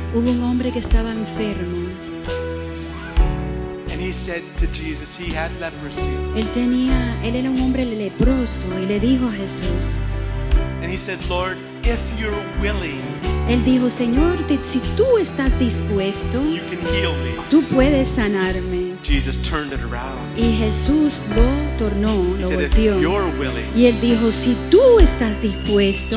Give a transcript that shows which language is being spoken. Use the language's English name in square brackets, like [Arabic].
[Spanish] Hubo un hombre que estaba enfermo. [English] And he said to Jesus, he had leprosy. [Spanish] Él era un hombre leproso y le dijo a Jesús. [English] And he said, Lord, if you're willing, [Spanish] Él dijo, Señor, si tú estás dispuesto, [English] you can heal me. [Spanish] Tú puedes sanarme. [English] Jesus turned it around. [Spanish] Y Jesús lo tornó, [English] he [Spanish] lo [English] said, [Spanish] volteó. [English] If you're willing, [Spanish] y Él dijo, si tú estás dispuesto,